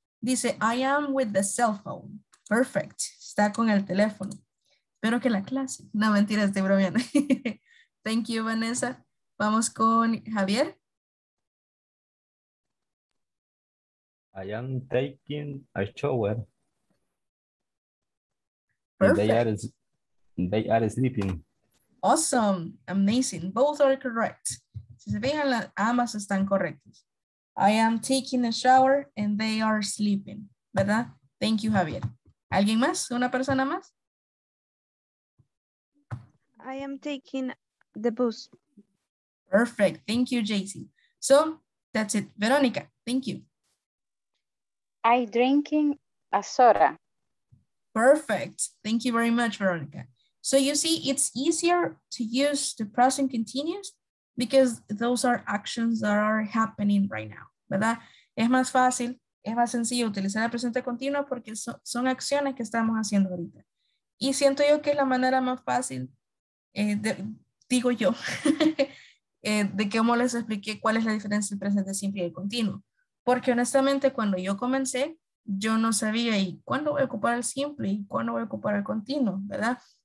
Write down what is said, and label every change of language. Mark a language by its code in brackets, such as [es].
[en] Dice, I am with the cell phone. [es] Perfect. Está con el teléfono. Espero que la clase. No, mentira, estoy bromeando. [en] Thank you, Vanessa. [es] Vamos con Javier. [en] I am taking a shower. Perfect. They are sleeping. Awesome. Amazing. Both are correct. [es] Si se fijan, ambas están correctas. [en] I am taking a shower and they are sleeping. [es] ¿Verdad? [en] Thank you, [es] Javier. ¿Alguien más? ¿Una persona más? [en] I am taking the bus. Perfect. Thank you, JC. So, that's it. Verónica, thank you. I'm drinking a soda. Perfect. Thank you very much, Verónica. So, you see, it's easier to use the present continuous because those are actions that are happening right now. [es] ¿Verdad? Es más fácil. Es más sencillo utilizar el presente continuo porque son acciones que estamos haciendo ahorita. Y siento yo que es la manera más fácil, digo yo, de qué modo les expliqué cuál es la diferencia entre presente simple y el continuo. Porque honestamente, cuando yo comencé, yo no sabía y cuándo voy a ocupar el simple y cuándo voy a ocupar el continuo, ¿verdad?